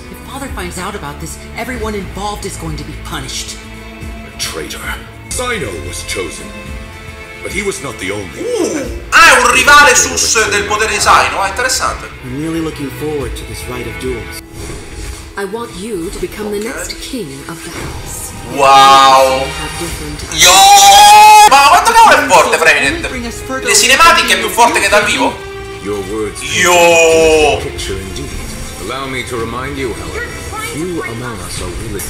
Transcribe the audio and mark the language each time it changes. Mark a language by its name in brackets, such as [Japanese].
[English] father finds out about this, everyone involved is going to be punished. A traitor. Sino was chosen, but he was not the only. [Italian] È un rivale sus del potere di Sino, è interessante. [English] I'm really looking forward to this rite of duels. I want you to become the next king of the house. Wow. Yo! [Italian] Ma quanto cavolo è forte, Freminent? Le cinematiche è più forte che dal vivo? [English] Your words. Yo! Allow me to remind you, however, few among us are really